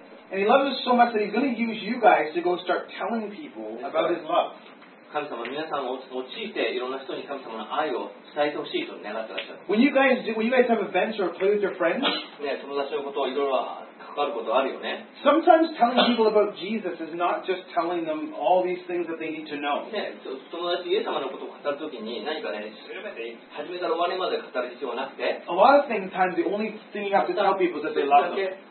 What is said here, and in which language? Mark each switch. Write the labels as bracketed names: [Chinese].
[English] And he loves us so much that he's going to use you guys to go start telling people about his love. [Japanese] 神様は皆さんを用いていろんな人に神様の愛を伝えてほしいと願ってらっしゃる。 [English] When you guys have events or play with your friends, [Japanese] 友達のことをいろいろ関わることあるよね。 [English] Sometimes telling people about Jesus is not just telling them all these things that they need to know. [Japanese] 友達イエス様のことを語るときに何かね、始めたら終わりまで語る必要はなくて、 [English] A lot of things, times, the only thing you have to tell people is that they love them.